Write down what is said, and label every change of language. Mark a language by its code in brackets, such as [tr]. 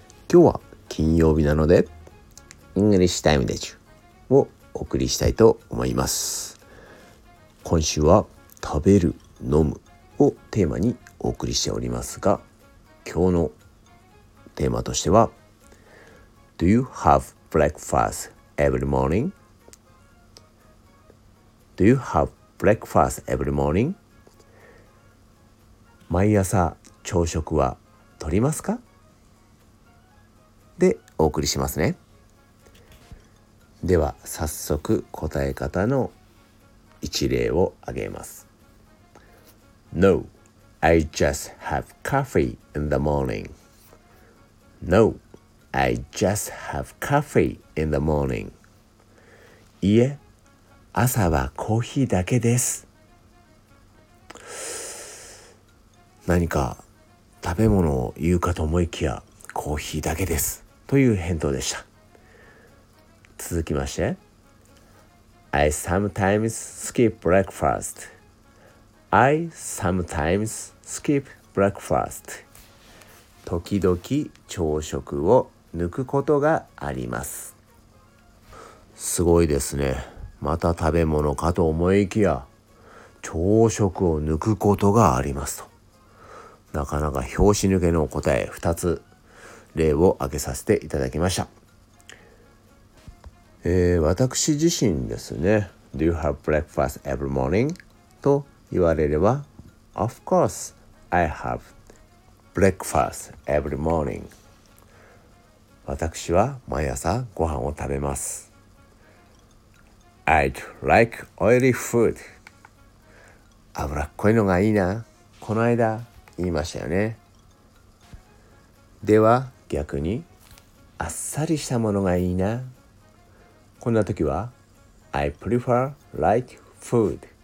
[ja] 今日は金曜日なので、イングリッシュタイムでちゅをお送りしたいと思います。今週は食べる、飲むをテーマにお送りしておりますが、今日のテーマとしては、 [en] Do you have breakfast every morning? Do you have breakfast every morning? [ja] 毎朝朝食は取りますか？でお送りしますね。では早速答え方の一例を挙げます。 [en] No, I just have coffee in the morning. No, I just have coffee in the morning. [ja] いえ、朝はコーヒーだけです。何か食べ物を言うかと思いきや、コーヒーだけですという返答でした。続きまして、 [en] I sometimes skip breakfast [ja] 時々朝食を抜くことがあります。すごいですね。また食べ物かと思いきや、朝食を抜くことがありますと。なかなか拍子抜けの答え、2つ例を挙げさせていただきました。私自身ですね、 [en] Do you have breakfast every morning? [ja] と言われれば、 [en] Of course I have breakfast every morning. [ja] 私は毎朝ご飯を食べます。 [en] I'd like oily food. [ja] 脂っこいのがいいな。この間言いましたよね。では逆に、あっさりしたものがいいな。こんな時は [en] I prefer light food.